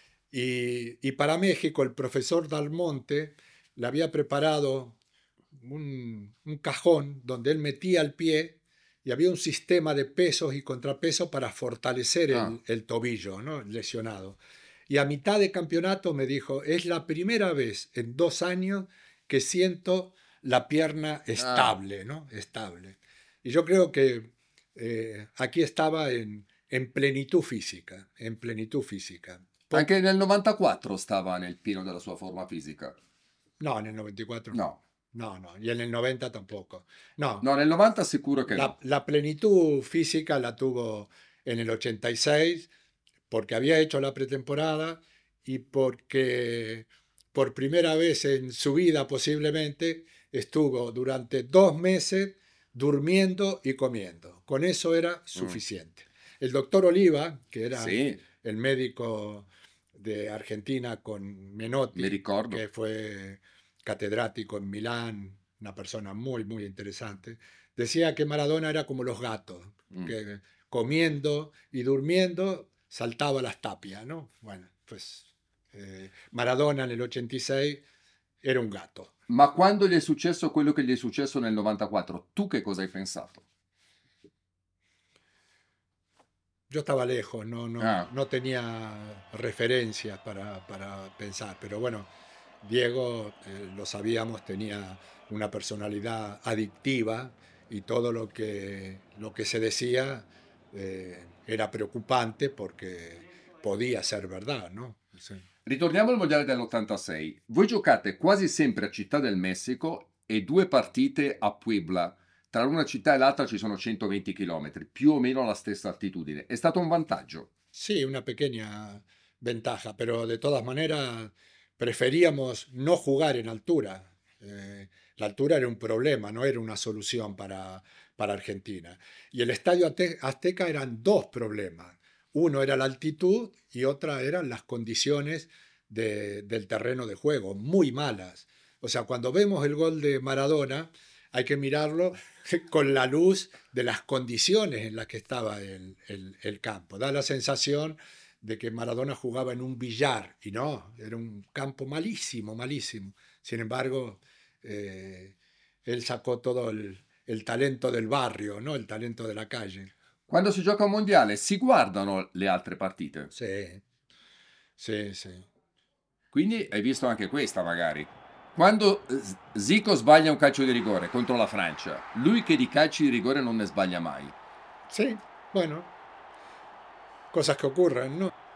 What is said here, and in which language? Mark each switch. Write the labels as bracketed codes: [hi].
[es] Y para México el profesor Dalmonte le había preparado un cajón donde él metía el pie y había un sistema de pesos y contrapesos para fortalecer el tobillo, ¿no? Lesionado. Y a mitad de campeonato me dijo, es la primera vez en 2 años que siento la pierna estable, ¿no? Estable. Y yo creo que aquí estaba en plenitud física, en plenitud física. [it] Anche nel 94 stava nel pieno della sua forma fisica. No, nel 94 no. [es] No, no, y en el 90 tampoco. No. [it] No, nel 90 sicuro che la, no. [es] La plenitud física la tuvo en el 86 porque había hecho la pretemporada y porque por primera vez en su vida posiblemente estuvo durante 2 meses durmiendo y comiendo. Con eso era suficiente. El doctor Oliva, que era Sí, el médico de Argentina con [it] me [es] Menotti, que [it] ricordo. [es] fue catedrático en Milán, una persona muy, muy interesante, decía que Maradona era como los gatos, que comiendo y durmiendo saltaba las tapias, ¿no? Bueno, pues Maradona en el 86 era un gato. Ma quando gli è successo quello che gli è successo nel 94, tu che cosa hai pensato? Yo estaba lejos, Ah. no tenía referencias para pensar, pero bueno, Diego, lo sabíamos, tenía una personalidad adictiva y todo lo que se decía era preoccupante porque podía ser verdad, ¿no? Sí. [it] Ritorniamo al Mondiale dell'86. Voi giocate quasi sempre a Città del Messico e due partite a Puebla. Tra una città e l'altra ci sono 120 km, più o meno alla stessa altitudine. È stato un vantaggio. [es] Sí, una pequeña ventaja, pero de todas maneras preferíamos no jugar en altura. La altura era un problema, no era una solución para Argentina. Y el Estadio Azteca eran dos problemas. Uno era la altitud y otra eran las condiciones del terreno de juego, muy malas. O sea, cuando vemos el gol de Maradona, hay que mirarlo con la luz de las condiciones en las que estaba el campo. Da la sensación de que Maradona jugaba en un billar y no, era un campo malísimo, malísimo. Sin embargo, él sacó todo el talento del barrio, ¿no? El talento de la calle. [it] Quando si gioca un mondiale, si guardano le altre partite. Sì. Quindi hai visto anche questa, magari. Quando Zico sbaglia un calcio di rigore contro la Francia, lui che di calci di rigore non ne sbaglia mai. [es] Sì, bueno, cosas que ocurren, ¿no?